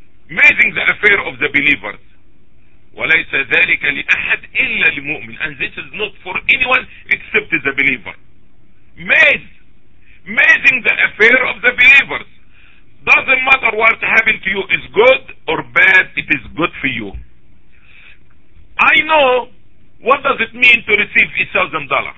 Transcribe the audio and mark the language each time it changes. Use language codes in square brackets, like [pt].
[en] Amazing the affair of the believers. [ar] وليس ذلك لأحد إلا المؤمن. [en] And this is not for anyone except the believer. Amazing the affair of the believers. Doesn't matter what happened to you, is good or bad, it is good for you. I know what does it mean to receive $1,000.